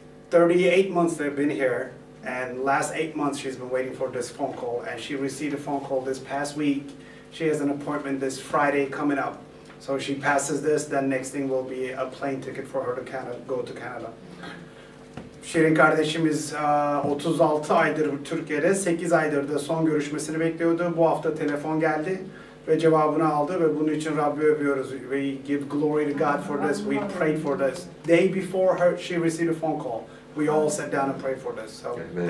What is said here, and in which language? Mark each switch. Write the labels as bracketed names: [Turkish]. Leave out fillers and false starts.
[English] 38 months they've been here, and last 8 months she's been waiting for this phone call, and she received a phone call this past week. She has an appointment this Friday coming up. So she passes this, then next thing will be a plane ticket for her to Canada, go to Canada. [Turkish] Şirin kardeşimiz 36 aydır Türkiye'de, 8 aydır da son görüşmesini bekliyordu. Bu hafta telefon geldi ve cevabını aldı ve bunun için Rabbi övüyoruz. [English] We give glory to God for this, we prayed for this. Day before her, she received a phone call. We all sat down and prayed for this, so amen.